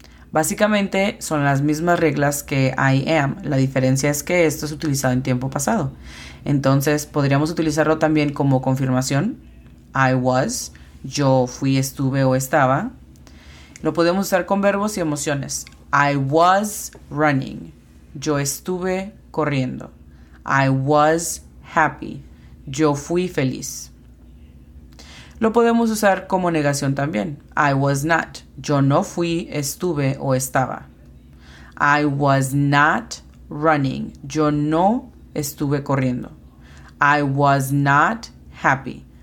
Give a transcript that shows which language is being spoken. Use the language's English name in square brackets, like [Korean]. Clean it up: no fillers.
[Spanish] Básicamente son las mismas reglas que [English] I am. [Spanish] La diferencia es que esto es utilizado en tiempo pasado. Entonces podríamos utilizarlo también como confirmación. [English] I was, [Spanish] yo fui, estuve o estaba. Lo podemos usar con verbos y emociones. [English] I was running, [Spanish] yo estuve corriendo. [English] I was happy, [Spanish] yo fui feliz. lo podemos usar como negación también. [English] I was not. [Spanish] Yo no fui, estuve o estaba. [English] I was not running. [Spanish] Yo no estuve corriendo. [English] I was not happy.